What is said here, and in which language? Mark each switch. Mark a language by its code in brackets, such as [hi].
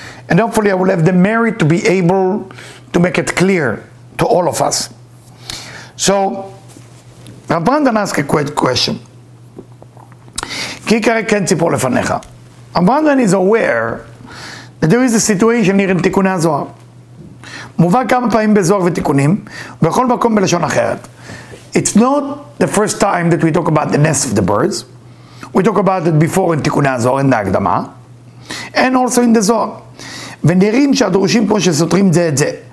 [en] And hopefully I will have the merit to be able to make it clear to all of us. So, Rav Brandwein asks a great question. [he] Kikare ken tzipor lefanecha. [en] Rav Brandwein is aware that there is a situation here in Tikkun HaZohar. [he] מובא כמה פעמים בזוהר ותיקונים, בכל מקום בלשון אחרת. [en] It's not the first time that we talk about the nest of the birds. We talk about it before in תיקוני הזוהר, in the הקדמה. And also in the זוהר. [he] ונראים שהדרושים פה שסותרים זה את זה.